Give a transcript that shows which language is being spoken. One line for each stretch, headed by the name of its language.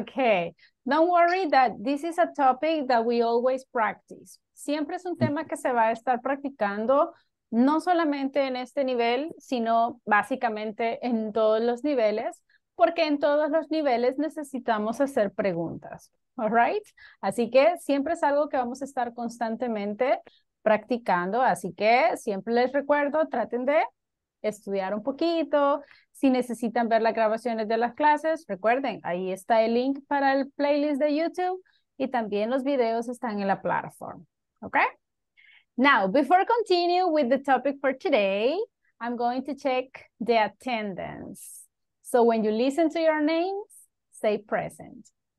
English: Okay, don't worry that this is a topic that we always practice.
Spanish: Siempre es un tema que se va a estar practicando, no solamente en este nivel, sino básicamente en todos los niveles, porque en todos los niveles necesitamos hacer preguntas.
English: All right?
Spanish: Así que siempre es algo que vamos a estar constantemente practicando, así que siempre les recuerdo, traten de estudiar un poquito. Si necesitan ver las grabaciones de las clases, recuerden, ahí está el link para el playlist de YouTube y también los videos están en la plataforma.
English: Okay? Now, before I continue with the topic for today, I'm going to check the attendance. So when you listen to your names, say present.